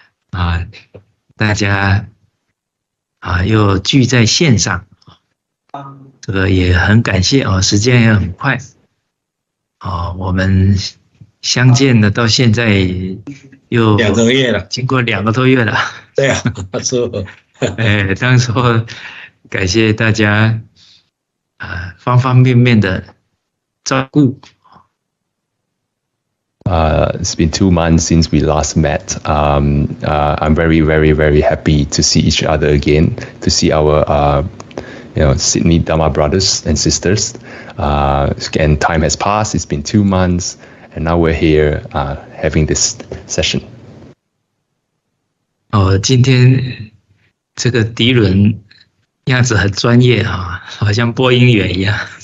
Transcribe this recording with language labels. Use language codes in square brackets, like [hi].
[zh] 啊，大家啊，又聚在线上，这个也很感谢哦，时间也很快，哦，我们相见的到现在又两个月了，经过两个多月了，对啊，是，哎，当初感谢大家啊，方方面面的照顾。 [en] It's been 2 months since we last met. I'm very, very, very happy to see each other again, to see our, Sydney Dharma brothers and sisters. And time has passed. It's been 2 months, and now we're here, having this session. [zh] 哦，今天这个迪伦样子很专业啊，好像播音员一样。